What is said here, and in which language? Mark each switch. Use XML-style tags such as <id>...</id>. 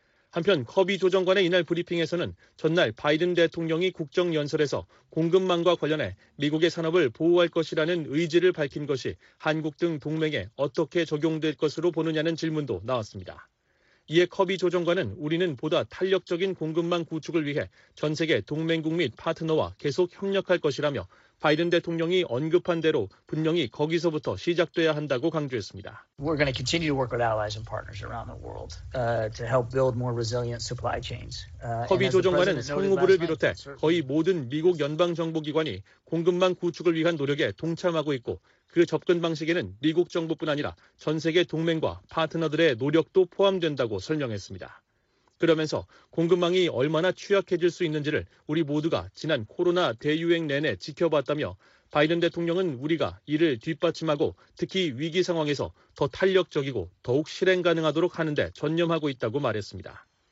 <ko>한편 커비 조정관의 이날 브리핑에서는 전날 바이든 대통령이 국정연설에서 공급망과 관련해 미국의 산업을 보호할 것이라는 의지를 밝힌 것이 한국 등 동맹에 어떻게 적용될 것으로 보느냐는 질문도 나왔습니다. 이에 커비 조정관은 우리는 보다 탄력적인 공급망 구축을 위해 전 세계 동맹국 및 파트너와 계속 협력할 것이라며 바이든 대통령이 언급한 대로 분명히 거기서부터 시작돼야 한다고 강조했습니다.</ko> <en>We're going to continue to work with allies and partners around the world to help build more resilient supply chains.</en> <ko>커비 조정관은 상무부를 비롯해 거의 모든 미국 연방 정보 기관이 공급망 구축을 위한 노력에 동참하고 있고 그 접근 방식에는 미국 정부뿐 아니라 전 세계 동맹과 파트너들의 노력도 포함된다고 설명했습니다. 그러면서 공급망이 얼마나 취약해질 수 있는지를 우리 모두가 지난 코로나 대유행 내내 지켜봤다며 바이든 대통령은 우리가 이를 뒷받침하고 특히 위기 상황에서 더 탄력적이고 더욱 실행 가능하도록 하는 데 전념하고 있다고 말했습니다.</ko>